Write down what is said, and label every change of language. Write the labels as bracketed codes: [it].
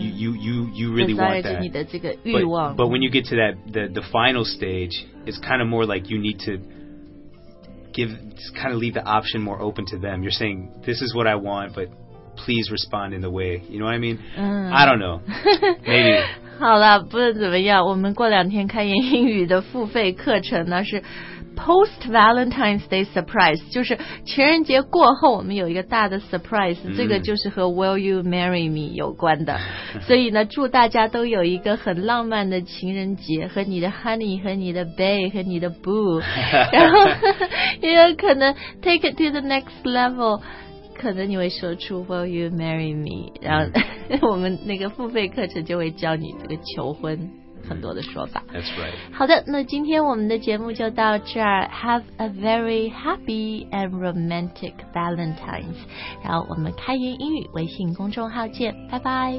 [en] you really want that. But when you get to that, the final stage, it's kind of more like you need to kind of leave the option more open to them. You're saying, this is what I want, but please respond in the way. You know what I mean?、嗯、 I don't know. Maybe. [zh] 好了，不论怎么样，我们过两天开言英语的付费课程呢，是 Post Valentine's Day Surprise， 就是情人节过后我们有一个大的 surprise、嗯、这个就是和 [en] Will you marry me [zh] 有关的。所以呢，祝大家都有一个很浪漫的情人节，和你的 honey， 和你的 bae， 和你的 boo， 然后也有可能 [en] take it to the next level， [zh] 可能你会说出 [en] Will you marry me， [zh] 然后我们那个付费课程就会教你这个求婚很多的说法。 [en] That's right. [zh] 好的，那今天我们的节目就到这儿。 [en] Have a very happy and romantic Valentine's. [zh] 然后我们开言英语微信公众号见，拜拜。